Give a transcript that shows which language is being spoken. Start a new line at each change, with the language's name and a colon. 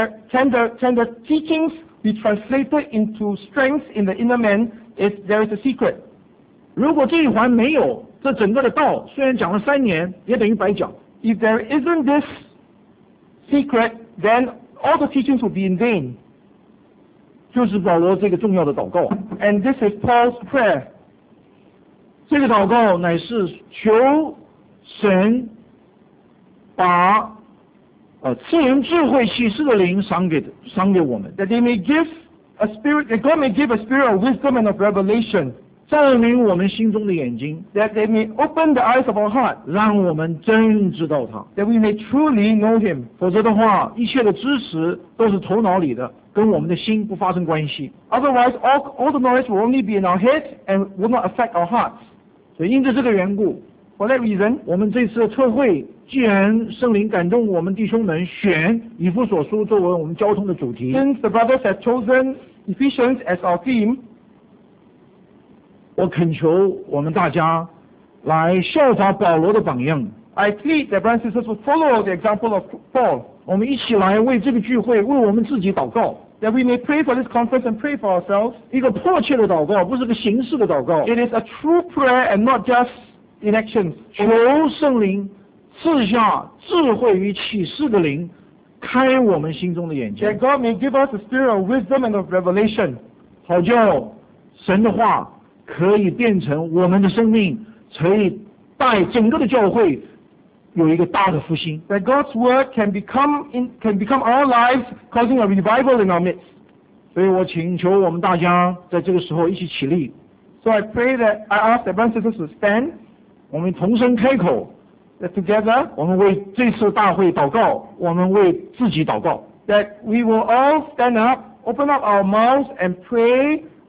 English: Can the teachings be translated into strength in the inner man if there is a secret?
Chinese: 如果这一环没有，这整个的道虽然讲了三年，也等于白讲。
English: If there isn't this secret, then all the teachings will be in vain.
Chinese: 就是保罗这个重要的祷告。
English: And this is Paul's prayer.
Chinese: 这个祷告乃是求神把赐人智慧启示的灵赏给我们。
English: That they may give a spirit, that God may give a spirit of wisdom and of revelation,
Chinese: 照明我们心中的眼睛。
English: That they may open the eyes of our heart,
Chinese: 让我们真知道他。
English: That we may truly know him.
Chinese: 否则的话，一切的知识都是头脑里的，跟我们的心不发生关系。
English: Otherwise, all the knowledge will only be in our head and will not affect our hearts.
Chinese: 所以因着这个缘故。
English: For that reason,
Chinese: 我们这次的特会既然圣灵感动我们弟兄们选以弗所书作为我们交通的主题，
English: Since the brothers have chosen Ephesians as our theme,
Chinese: 我恳求我们大家来效法保罗的榜样。
English: I plead that brothers and sisters will follow the example of Paul.
Chinese: 我们一起来为这个聚会，为我们自己祷告。
English: That we may pray for this conference and pray for ourselves.
Chinese: 一个迫切的祷告，不是个形式的祷告。
English: It is a true prayer and not justIn actions,
Chinese: 求圣灵赐下智慧与启示的灵，开我们心中的眼睛。
English: That God may give us the spirit of wisdom and of revelation,
Chinese: 好叫神的话可以变成我们的生命，可以带整个的教会有一个大的复兴。
English: That God's word can become our lives, causing a revival in our midst.
Chinese: 所以我请求我们大家在这个时候一起起立。
English: So I pray that I ask the brothers and sisters to stand.
Chinese: 我们同声开口
English: That together,
Chinese: 我们为这次大会祷告，我们为自己祷告。
English: That we will all stand up, open up our mouths and pray.